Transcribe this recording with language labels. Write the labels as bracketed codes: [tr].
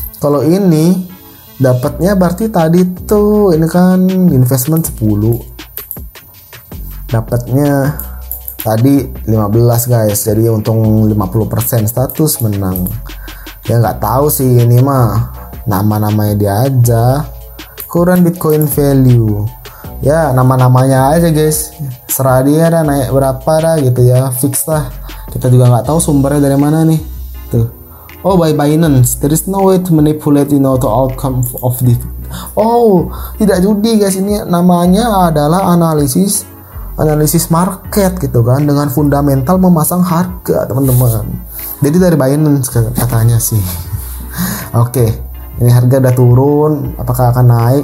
[id] Kalau ini dapatnya berarti tadi tuh ini kan investment 10 dapatnya tadi 15 guys, jadi untung 50% status menang ya. Nggak tahu sih ini mah nama-namanya dia aja, [en] current Bitcoin value [id] ya, nama-namanya aja guys, serah dia dah naik berapa dah gitu ya, fix lah. Kita juga nggak tahu sumbernya dari mana nih tuh. [en] Oh, by Binance, there is no way to manipulate, you know, the outcome of this. [id] Oh, tidak judi guys, ini namanya adalah analisis market gitu kan, dengan fundamental memasang harga, teman-teman. Jadi dari Binance katanya sih. Oke, ini harga udah turun, apakah akan naik?